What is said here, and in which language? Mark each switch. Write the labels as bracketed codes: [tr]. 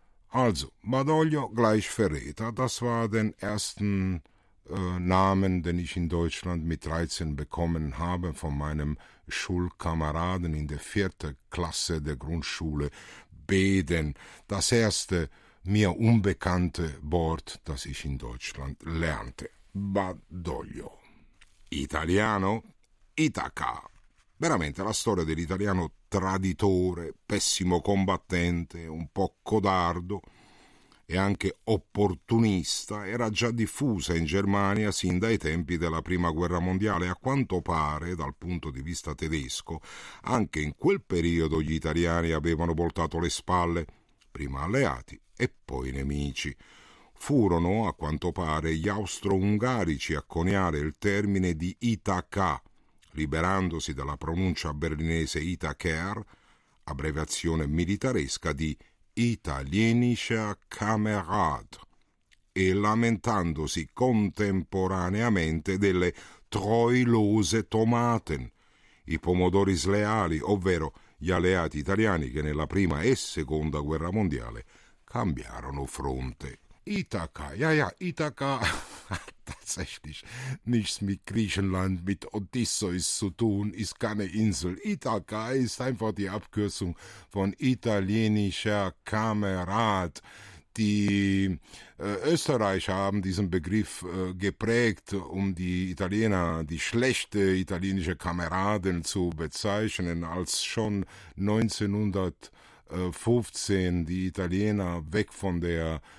[de] Also, Badoglio gleich Verräter, das war den ersten Namen, den ich in Deutschland mit 13 bekommen habe von meinem Schulkameraden in der vierten Klasse der Grundschule Beden. Das erste mir unbekannte Wort, das ich in Deutschland lernte. [it] Badoglio. Italiano, Itaca. Veramente la storia dell'italiano traditore, pessimo combattente, un po' codardo, e anche opportunista era già diffusa in Germania sin dai tempi della Prima Guerra Mondiale. A quanto pare, dal punto di vista tedesco, anche in quel periodo gli italiani avevano voltato le spalle, prima alleati e poi nemici. Furono, a quanto pare, gli austro-ungarici a coniare il termine di Ithaca, liberandosi dalla pronuncia berlinese Ithaker, abbreviazione militaresca di [de] Italienischer Kamerad, [it] e lamentandosi contemporaneamente delle [de] treulose Tomaten, [it] i pomodori sleali, ovvero gli alleati italiani che nella prima e seconda guerra mondiale cambiarono fronte. [de] Ithaca, Ithaca, tatsächlich, nichts mit Griechenland, mit Odysseus zu tun, ist keine Insel. Ithaca ist einfach die Abkürzung von italienischer Kamerad. Die Österreicher haben diesen Begriff geprägt, um die Italiener, die schlechte italienische Kameraden zu bezeichnen, als schon 1915 die Italiener weg von der